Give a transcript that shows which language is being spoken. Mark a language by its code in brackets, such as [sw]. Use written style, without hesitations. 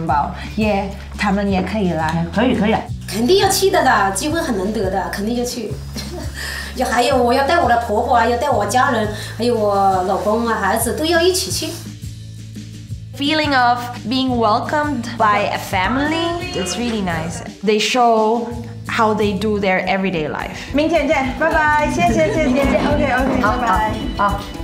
[zh] 明天我安排我想做面包。好。有人想知道怎么做面包，他们也可以来。可以，可以。肯定要去的，机会很难得的，肯定要去。就还有我要带我的婆婆啊，要带我家人，还有我老公啊，孩子都要一起去。 [en] Feeling of being welcomed by a family, it's really nice. They show how they do their everyday life. [zh] 明天见，拜拜，谢谢，明天见，OK，拜拜，好。